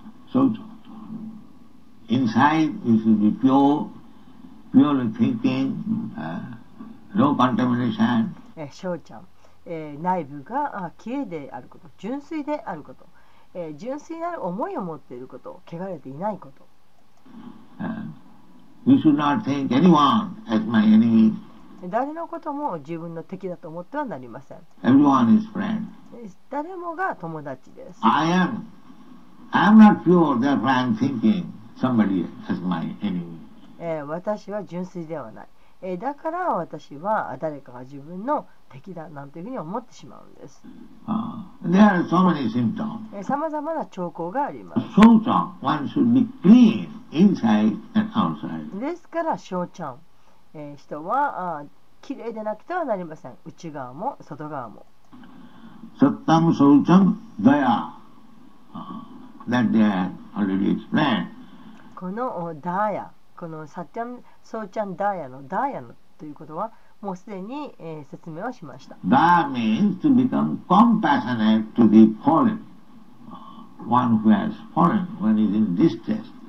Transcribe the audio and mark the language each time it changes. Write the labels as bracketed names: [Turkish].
[English] So inside you should be pure thinking、no contamination。 [Japanese] 小ちゃん、内部がきれいであること、純粋であること、純粋なる思いを持っていること、汚れていないこと。 [English] We should not think anyone as my enemy. [Japanese] 誰のことも自分の敵だと思ってはなりません。 [English] Everyone is friend. [Japanese] 誰もが友達です。 [English] I am not pure, therefore I am thinking somebody as my enemy. [Japanese] 私は純粋ではない。だから私は誰かが自分の敵だなんていうふうに思ってしまうんです。 [English] There are so many symptoms. [Japanese] さまざまな兆候があります。 [English] So strong, one should be clean. Inside and outside. [Japanese] ですから、小ちゃん、人はきれいでなくてはなりません。内側も外側も。 [Sanskrit] サッタム・ソウチャム・ダヤ。 [English] That they have already explained. [Japanese] このダヤ、このサッタム・ソウチャム・ダヤのダヤのということは、もうすでに、説明をしました。 [English] ダヤ means to become compassionate to the fallen. One who has fallen when is in distress.